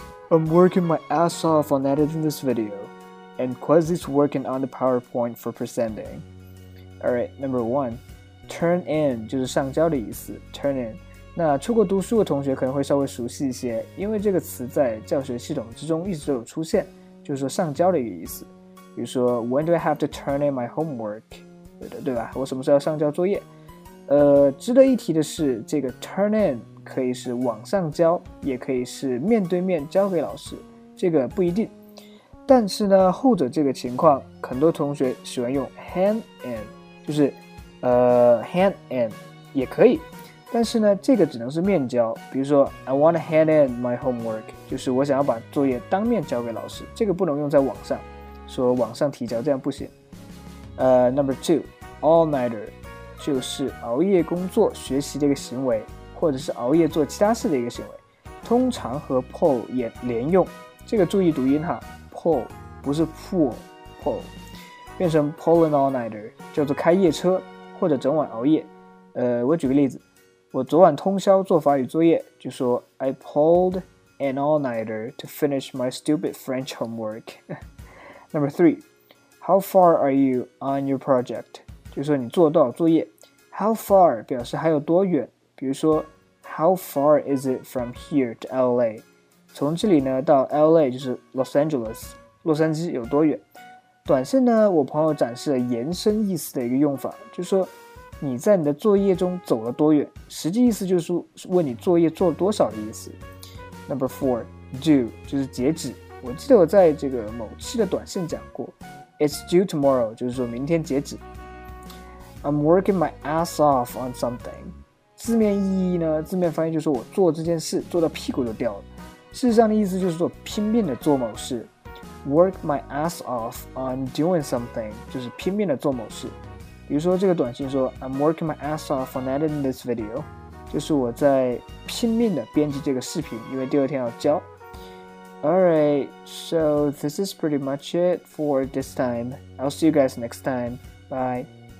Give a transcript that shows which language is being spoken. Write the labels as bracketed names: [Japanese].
[Chinese] I'm working my ass off on editing this video. And Quasi's working on the PowerPoint for presenting. Alright, number one. Turn in 就是上交的意思 ,turn in. 那出国读书的同学可能会稍微熟悉一些，因为这个词在教学系统之中一直都有出现，就是说上交的一个意思。比如说 , [English] when do I have to turn in my homework? [Chinese] 对吧我什么时候要上交作业。值得一提的是，这个 turn in 可以是网上交，也可以是面对面交给老师，这个不一定。但是呢，后者这个情况，很多同学喜欢用 hand in， 就是hand in 也可以。但是呢，这个只能是面交，比如说 [English] I want to hand in my homework， [Chinese] 就是我想要把作业当面交给老师，这个不能用在网上，说网上提交这样不行。 [English] Number two， all nighter。 [Chinese] 就是熬夜工作学习的一个行为，或者是熬夜做其他事的一个行为，通常和 pull 也连用，这个注意读音哈， pull 不是 pull 变成 pull an all nighter， 叫做开夜车或者整晚熬夜。我举个例子，我昨晚通宵做法语作业，就说 [English] I pulled an all nighter to finish my stupid French homework. Number three, how far are you on your project? [Chinese] 就是说你做多少作业。 How far 表示还有多远，比如说 [English] How far is it from here to LA， [Chinese] 从这里呢到 LA 就是 Los Angeles， 洛杉矶有多远。短信呢我朋友展示了延伸意思的一个用法，就是说你在你的作业中走了多远，实际意思就是问你作业做了多少的意思。 Number four， due 就是截止，我记得我在这个某期的短信讲过， [English] It's due tomorrow， [Chinese] 就是说明天截止。 [English] I'm working my ass off on something. [Chinese] 字面意义呢，字面翻译就是我做这件事做到屁股都掉了。事实上的意思就是说拼命的做某事。 [English] Work my ass off on doing something [Chinese] 就是拼命的做某事。比如说这个短信说 [English] I'm working my ass off on editing this video， [Chinese] 就是我在拼命的编辑这个视频，因为第二天要交。 [English] Alright, so this is pretty much it for this time. I'll see you guys next time. Bye.